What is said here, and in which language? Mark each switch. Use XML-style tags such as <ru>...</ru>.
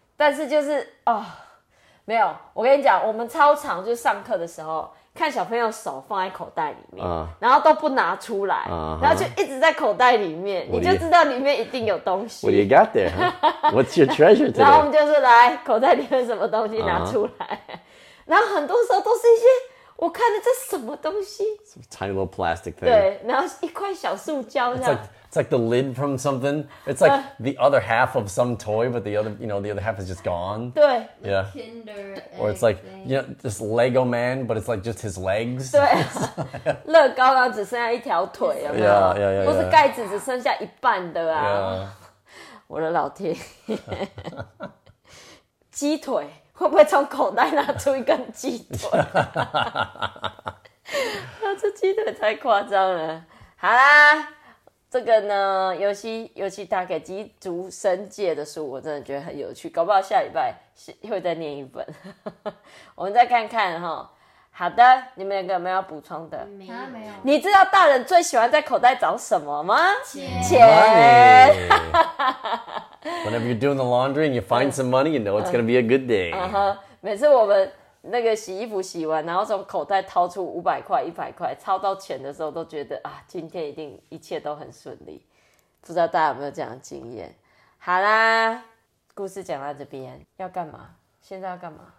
<zh>但是就是啊。没有，我跟你讲，我们超常就是上课的时候看小朋友手放在口袋里面，然后都不拿出来，然后就一直在口袋里面，你就知道里面一定有东西。</zh> <en>What do you got there?、Huh? What's your treasure today?</en> <zh>然后我们就是来口袋里面什么东西拿出来， uh-huh. 然后很多时候都是一些我看的这什么东西</zh> <en>，some tiny little plastic thing.</en> <zh>对，然后一块小塑胶这样。</zh> <en>It's like the lid from something. It's like the other half of some toy, but the other half is just gone.</en> <zh>对</zh> <en>Yeah. Kinder. Or it's like, you know, this Lego man, but it's like just his legs.</en> <zh>对啊。乐高刚只剩下一条腿，有没有？</zh> <en>Yeah, yeah, yeah.</en> <zh>或是盖子只剩下一半的啊。</zh> <en>Yeah.</en> <zh>我的老天。鸡腿会不会从口袋拿出一根鸡腿？那这鸡腿太夸张了。好啦。这个呢，尤其他给鸡足生界的书，我真的觉得很有趣，搞不好下礼拜会再念一本，我们再看看哈。好的，你们两个有没有要补充的？没有。你知道大人最喜欢在口袋找什么吗？钱。</zh> <en>Whenever you're doing the laundry and you find some money, you know it's gonna be a good day.</en> <zh>每次我们那个洗衣服洗完，然后从口袋掏出500块、100块，掏到钱的时候，都觉得啊，今天一定一切都很顺利。不知道大家有没有这样的经验？好啦，故事讲到这边，要干嘛？现在要干嘛</zh>